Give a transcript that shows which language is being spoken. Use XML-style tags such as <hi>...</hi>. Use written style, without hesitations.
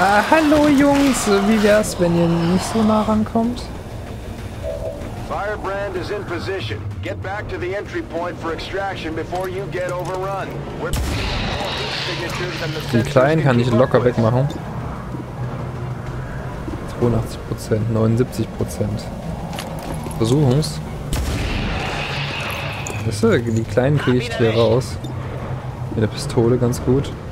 <de>Hallo Jungs, wie wär's, wenn ihr nicht so nah rankommt?</de> <en>Firebrand is in position. Get back to the entry point for extraction before you get overrun.</en> <de>Die Kleinen kann ich locker wegmachen. 82%, 79%. Versuchung's. Weißt du, die Kleinen kriege ich hier raus. Mit der Pistole ganz gut.</de>